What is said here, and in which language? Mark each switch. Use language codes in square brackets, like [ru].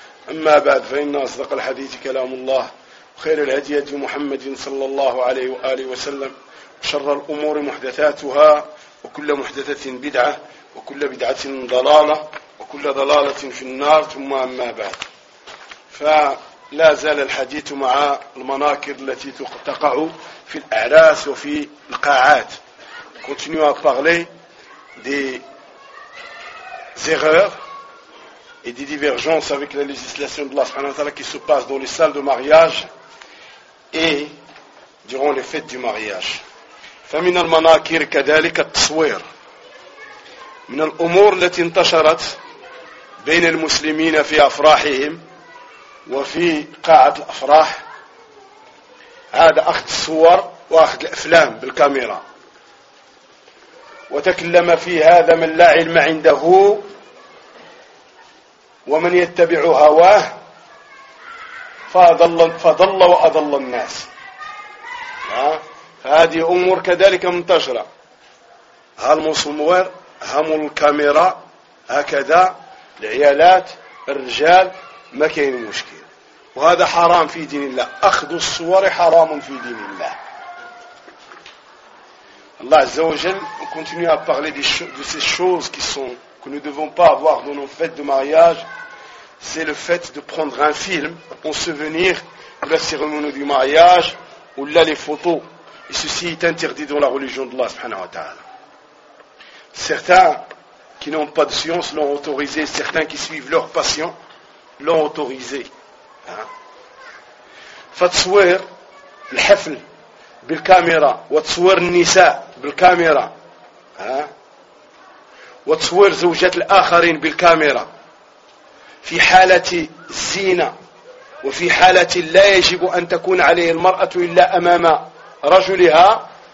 [ar] أما بعد، فإن أصدق الحديث كلام الله، خير الهدي هدي محمد صلى الله عليه وآله وسلم، شر الأمور محدثاتها، وكل محدثة بدعة، وكل بدعة ضلالة، وكل ضلالة في النار، ثم أما بعد. فلا زال الحديث مع المناكر التي تقع في الأعراس وفي القاعات. [fr] Continue à parler des erreurs et des divergences avec la législation de l'Allah qui se passe dans les salles de mariage et durant les fêtes du mariage. [ar] فمن المناكر كذلك التصوير من الأمور التي انتشرت بين المسلمين في أفراحهم وفي قاعة الأفراح هذا أخذ الصور وأخذ الأفلام بالكاميرا. وتكلم في هذا من لا علم عنده ومن يتبع هواه فضل وأضل الناس. هذه أمور كذلك منتشرة، هالمصور هم الكاميرا هكذا العيالات الرجال ما كاين مشكل، وهذا حرام في دين الله، أخذ الصور حرام في دين الله. [fr] Allah Azza wa Jal continue à parler de ces choses qui sont, que nous ne devons pas avoir dans nos fêtes de mariage. C'est le fait de prendre un film en souvenir de la cérémonie du mariage ou là les photos. Et ceci est interdit dans la religion d'Allah subhanahu wa ta'ala. Certains qui n'ont pas de science l'ont autorisé. Certains qui suivent leur passion l'ont autorisé. Fatswir, le hafl. [ar] بالكاميرا وتصوير النساء بالكاميرا وتصوير زوجات الآخرين بالكاميرا في حالة الزينة وفي حالة لا يجب أن تكون عليه المرأة إلا أمام رجلها،